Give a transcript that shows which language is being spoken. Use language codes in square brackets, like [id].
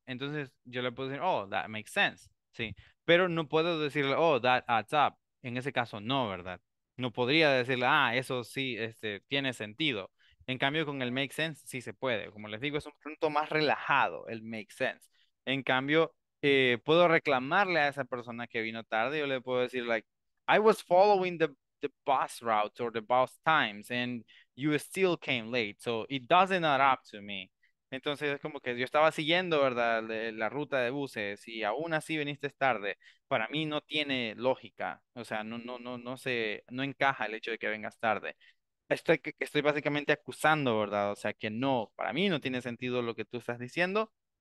[es] Entonces yo le puedo decir, oh, that makes sense. Sí, pero no puedo decirle, oh, that adds up. En ese caso, no, ¿verdad? No podría decirle, ah, eso sí, tiene sentido. En cambio, con el make sense, sí se puede. Como les digo, es un punto más relajado, el make sense. En cambio, puedo reclamarle a esa persona que vino tarde. [en] Yo le puedo decir, like, I was following the bus route or the bus times and you still came late. So, it doesn't add up to me. [es] Entonces, es como que yo estaba siguiendo, ¿verdad? La ruta de buses y aún así viniste tarde. Para mí no tiene lógica. O sea, no encaja el hecho de que vengas tarde. Estoy básicamente acusando, ¿verdad? O sea, que no, para mí no tiene sentido lo que tú estás diciendo.